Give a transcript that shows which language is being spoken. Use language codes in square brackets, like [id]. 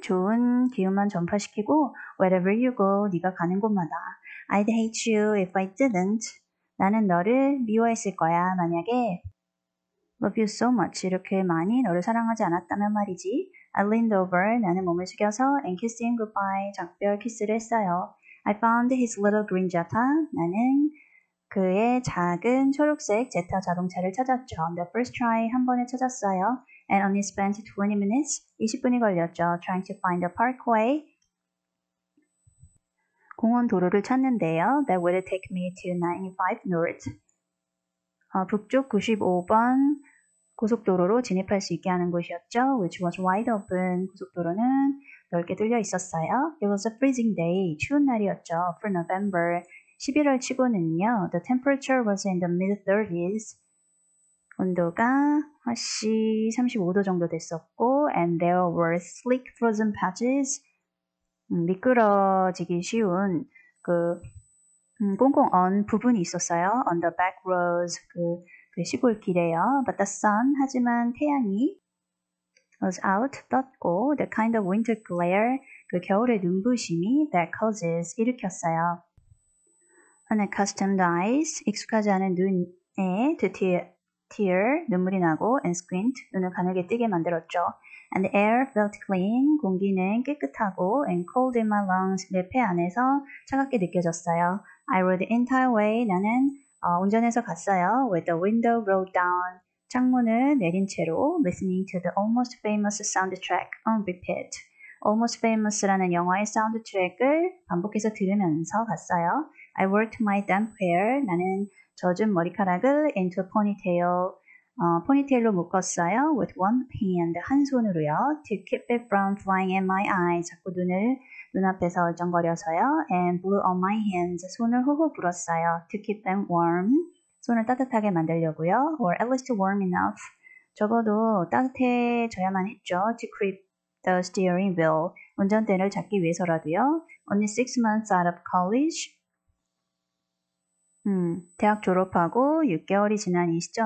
[ko] 좋은 기운만 전파시키고 [en] wherever you go, [ko] 네가 가는 곳마다. [en] I'd hate you if I didn't. [ko] 나는 너를 미워했을 거야, 만약에. [en] Love you so much. [ko] 이렇게 많이 너를 사랑하지 않았다면 말이지. [en] I leaned over. [ko] 나는 몸을 숙여서 [en] and kissed him goodbye. [ko] 작별 키스를 했어요. [en] I found his little green Jetta. [ko] 나는 그의 작은 초록색 제타 자동차를 찾았죠. [en] On the first try, [ko] 한 번에 찾았어요. [en] And only spent 20 minutes. [ko] 20분이 걸렸죠. [en] Trying to find a parkway. [ko] 공원 도로를 찾는데요. [en] That would take me to 95 North. [ko] 북쪽 95번 고속도로로 진입할 수 있게 하는 곳이었죠. [en] Which was wide open. [ko] 고속도로는 넓게 뚫려 있었어요. [en] It was a freezing day. [ko] 추운 날이었죠. [en] For November. [ko] 11월 치고는요. [en] The temperature was in the mid-30s. [ko] 온도가 화씨 35도 정도 됐었고, [en] and there were slick frozen patches. [ko] 미끄러지기 쉬운 그 꽁꽁 언 부분이 있었어요. [en] On the back roads. [ko] 그 시골 길에요. [en] But the sun. [ko] 하지만 태양이 [en] was out, [ko] 떴고, [en] the kind of winter glare, [ko] 그 겨울의 눈부심이 [en] that causes, [ko] 일으켰어요. [en] Unaccustomed eyes, [ko] 익숙하지 않은 눈에 [en] to tear, [ko] 눈물이 나고, [en] and squint, [ko] 눈을 가늘게 뜨게 만들었죠. [en] And the air felt clean, [ko] 공기는 깨끗하고, [en] and cold in my lungs, [ko] 내폐 안에서 차갑게 느껴졌어요. [en] I rode the entire way, [ko] 나는 운전해서 갔어요. [en] With the window rolled down. [ko] 창문을 내린 채로 [en] listening to the almost famous soundtrack on repeat. [ko] Almost famous라는 영화의 사운드트랙을 반복해서 들으면서 갔어요. [en] I worked my damp hair. [ko] 나는 젖은 머리카락을 [en] into a ponytail. [ko] 포니테일로 묶었어요. [en] With one hand. [ko] 한 손으로요. [en] To keep it from flying in my eyes. [ko] 자꾸 눈앞에서 얼쩡거려서요. [en] And blew on my hands. [ko] 손을 호호 불었어요. [en] To keep them warm. [ko] 손을 따뜻하게 만들려고요. [en] Or at least warm enough. [ko] 적어도 따뜻해져야만 했죠. [en] To grip the steering wheel. [ko] 운전대를 잡기 위해서라도요. [en] Only 6 months out of college. [ko] 대학 졸업하고 6개월이 지난 이 시점에 [en] And my life was on the verge of. [ko] 내 인생은